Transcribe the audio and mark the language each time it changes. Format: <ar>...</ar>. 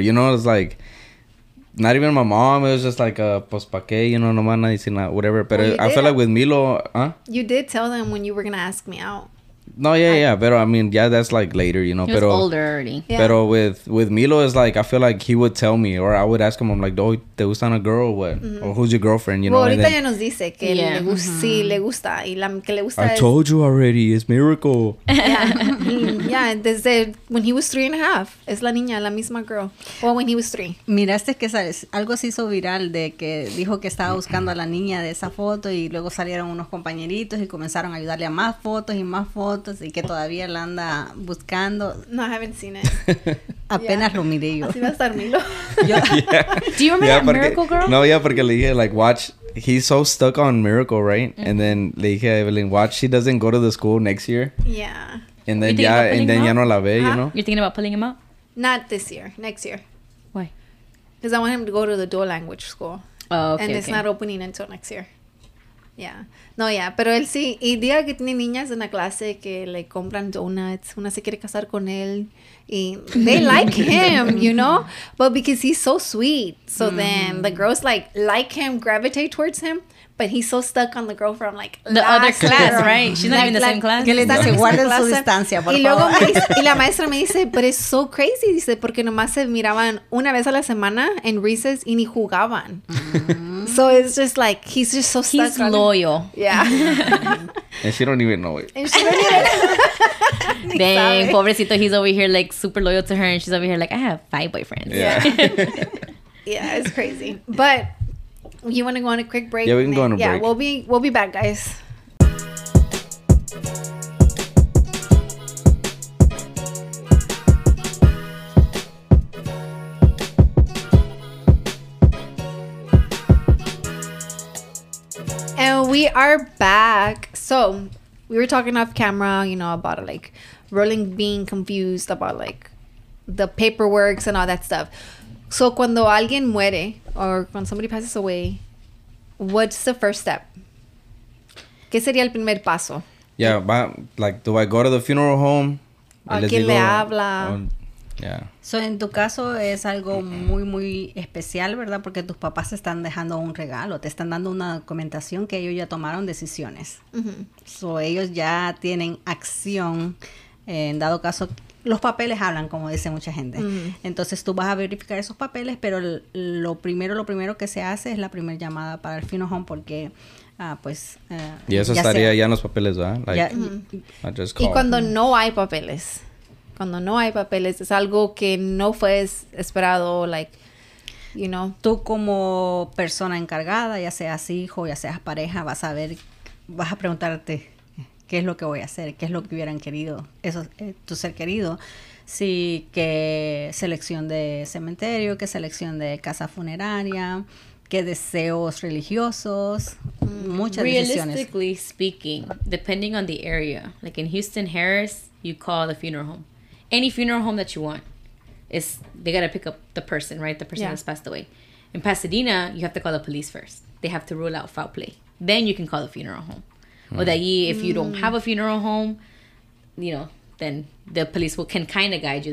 <en>You know, it's like not even my mom. It was just like a</en> <es>pues pa qué,</es> <en>you know,</en> <es>no más nada, sino</es> <en>whatever. But well, I feel like with Milo, huh? You did tell them when you were gonna ask me out. No, yeah, yeah, but I mean, yeah, that's like later, you know. He was older already. Yeah. But with Milo, it's like, I feel like he would tell me, or I would ask him, I'm like,</en> <es>do te gustan</es> <en>a girl or what? Mm-hmm. Or who's your girlfriend, you know?</en> <es>Well, ahorita then, ya nos dice que yeah. le gusta, mm-hmm. sí, le gusta, y la que le gusta</es> <en>I</en> <es>es,</es> <en>told you already, it's miracle. Yeah, yeah, desde when he was 3 and a half,</en> <es>es la niña, la misma</es> <en>girl. Well, when he was 3.</en> <es>Miraste que sabes, algo se hizo viral de que dijo que estaba buscando a la niña de esa foto, y luego salieron unos compañeritos y comenzaron a ayudarle a más fotos y más fotos. Así que todavía la anda buscando.</es> <en>No, I haven't seen it.</en> <es>Apenas yeah. lo miré yo. Así va a estar Milo.</es> <en>Yeah. Do you remember that</en> <es>porque,</es> <en>Miracle Girl? No, yeah,</en> <es>porque le dije,</es> <en>like, watch. He's so stuck on Miracle, right? Mm-hmm. And then</en> <es>le dije a Evelyn,</es> <en>watch. She doesn't go to the school next year. Yeah. And then, ya, and then</en> <es>ya no la ve,</es> <en>huh? You know? You're thinking about pulling him out? Not this year. Next year. Why? Because I want him to go to the dual language school. Oh, okay. And okay. it's not opening until next year. Yeah. No, yeah,</en> <es>pero él sí. Y diga que tiene niñas en la clase que le compran donuts. Una se quiere casar con él. Y</es> <en>they like him, you know? But because he's so sweet. So mm-hmm. then the girls like him, gravitate towards him. But he's so stuck on the girl from like the other class, girl. Right? She's not even the same class.</en> <es>Que le dice, guarden su distancia, por y luego favor. Y la maestra me dice,</es> <en>but it's so crazy.</en> <es>Dice, porque nomás se miraban una vez a la semana en recess y ni jugaban. Mm-hmm.</es> <en>So it's just like, he's just so stuck. He's loyal. Yeah. And she don't even know it. And she don't even know dang, pobrecito, he's over here like super loyal to her. And she's over here like, I have 5 boyfriends. Yeah. Yeah, it's crazy. But you want to go on a quick break? Yeah, we can go on a break. Yeah, we'll be back, guys. And we are back. So, we were talking off camera, you know, about like rolling being confused about like the paperwork and all that stuff. So,</en> <es>cuando alguien muere,</es> <en>or when somebody passes away, what's the first step?</en> <es>¿Qué sería el primer paso?</es> <en>Yeah, but, like, do I go to the funeral home?</en> <es>¿A quién le habla?</es> <en>Yeah.</en> <es>So, en tu caso es algo muy, muy especial, ¿verdad? Porque tus papás están dejando un regalo, te están dando una documentación que ellos ya tomaron decisiones. Mm-hmm. So, ellos ya tienen acción, en dado caso. Los papeles hablan, como dice mucha gente. Uh-huh. Entonces, tú vas a verificar esos papeles, pero lo primero que se hace es la primera llamada para el funeral home, porque, pues... Y eso ya estaría ya en los papeles, ¿verdad?</es> <en>Like, yeah. I just call.</en> <es>Y cuando no hay papeles. Cuando no hay papeles, es algo que no fue esperado,</es> <en>like, you know.</en> <es>Tú como persona encargada, ya seas hijo, ya seas pareja, vas a ver, vas a preguntarte... ¿Qué es lo que voy a hacer? ¿Qué es lo que hubieran querido? Eso, tu ser querido. Sí, qué selección de cementerio, qué selección de casa funeraria, qué deseos religiosos, muchas</es> <en>realistically</en> <es>decisiones.</es> <en>Realistically speaking, depending on the area, like in Houston, Harris, you call the funeral home. Any funeral home that you want, is they got to pick up the person, right? The person yeah. that's passed away. In Pasadena, you have to call the police first. They have to rule out foul play. Then you can call the funeral home. Or that ye, if you don't have a funeral home, you know, then the police will, can kind of guide you.</en>